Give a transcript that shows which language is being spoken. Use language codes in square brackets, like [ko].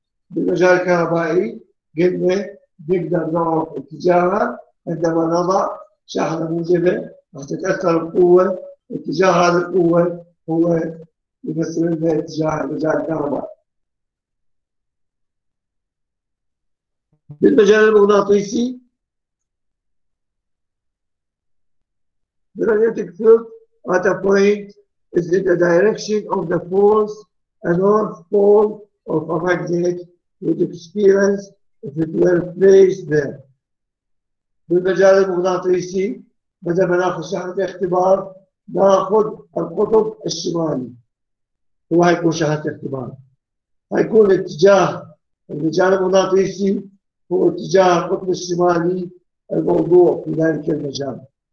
[ar] بالمجال الكهربائي قلنا نقدر نعرف اتجاهها عندما نضع شحنة موجبة راح تتأثر القوة. اتجاه هذه القوة هو يمثل لنا اتجاه المجال الكهربائي. بالمجال المغناطيسي [en] the magnetic field at a point is in the direction of the poles, a north pole of a magnet would experience if it were placed there. [ar] بالمجال المغناطيسي بدل ما ناخذ شحنة اختبار ناخذ القطب الشمالي هو هيكون شحنة اختبار. هيكون اتجاه المجال المغناطيسي هو اتجاه القطب الشمالي الموضوع في ذلك المجال.